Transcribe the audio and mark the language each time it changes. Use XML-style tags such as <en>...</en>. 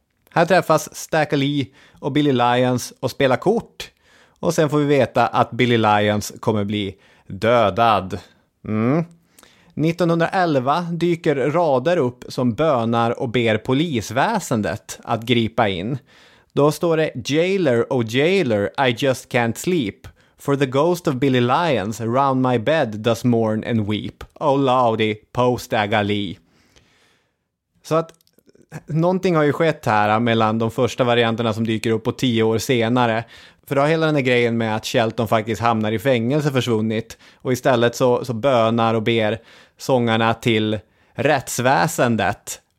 <sv>Här träffas Stacker Lee och Billy Lyons och spelar kort. Och sen får vi veta att Billy Lyons kommer bli dödad. Mm. 1911 dyker rader upp som bönar och ber polisväsendet att gripa in. Då står det:</sv> <en>"Jailer, oh jailer, I just can't sleep. For the ghost of Billy Lyons round my bed does mourn and weep. Oh laudy, post agali."</en> <sv>Så att någonting har ju skett här mellan de första varianterna som dyker upp och 10 år senare. För då har hela den här grejen med att Shelton faktiskt hamnar i fängelse försvunnit. Och istället så bönar och ber sångarna till rättsväsendet.</sv>